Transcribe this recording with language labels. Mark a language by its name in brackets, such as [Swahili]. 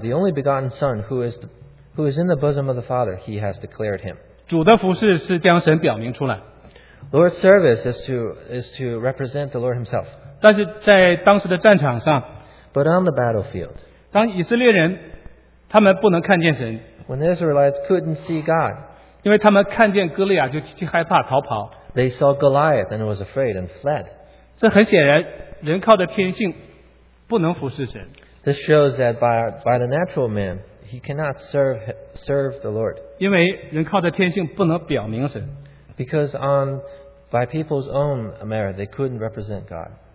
[English] The only begotten Son who is in the bosom of the Father, He has declared Him. [Chinese] 主的服事是将神表明出来。 [English] Lord's service is to represent the Lord Himself. [Chinese] 但是在当时的战场上, [English] but on the battlefield, [Chinese] 当以色列人, 他们不能看见神, [English] when the Israelites couldn't see God, [Chinese] 因为他们看见哥利亚, 就害怕, [English] they saw Goliath and was afraid and fled. [Chinese] 这很显然, 人靠着天性, [English] this shows that by the natural man, he cannot serve the Lord. [Chinese] 因为人靠着天性不能表明神, [English] because on by people's own merit, they couldn't represent God.